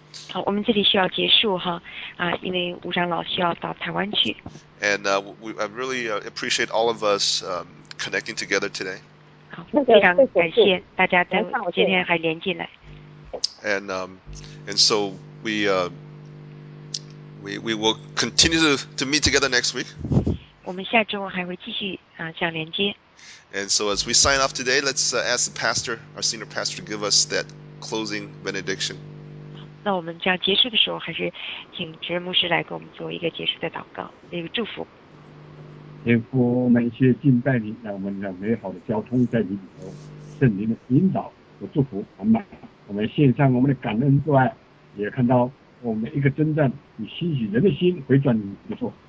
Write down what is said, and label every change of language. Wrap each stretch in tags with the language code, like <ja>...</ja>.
<zh>好，我们这里需要结束哈，啊，因为吴长老需要到台湾去。</zh> <en>And I really appreciate all of us connecting together today.</en> <zh>好，非常感谢大家在今天还连进来。</zh> <en>And so we will continue to meet together next week.</en> <zh>我们下周还会继续啊这样连接。</zh> <en>And so as we sign off today, let's ask the pastor, our senior pastor, to give us that closing benediction.</en> <zh>那我们将结束的时候，还是请执牧师来给我们做一个结束的祷告，一个祝福。天父，我们谢谢敬拜你，让我们的美好的交通在你里头，圣灵的引导和祝福满满。我们献上我们的感恩之外，也看到我们一个征战，你吸引人的心回转你的座。</zh>